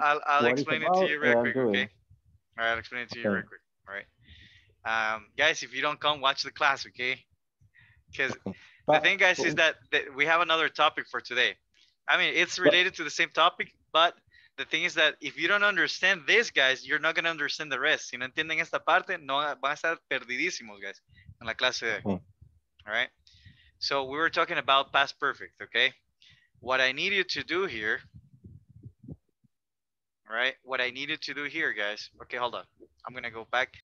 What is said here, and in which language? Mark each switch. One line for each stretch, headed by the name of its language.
English: I'll explain it to you real quick, okay? All right, I'll explain it to you real quick, all right? Guys, if you don't come, watch the class, okay? Because... Okay. The thing, guys, is that we have another topic for today. I mean, it's related to the same topic, but the thing is that if you don't understand this, guys, you're not going to understand the rest.
Spanish: Si no entienden esta parte, no van a estar perdidísimos, guys, en la clase de hoy.
English: All right? So we were talking about past perfect, okay? What I need you to do here, right? What I need you to do here, guys. Okay, hold on. I'm going to go back.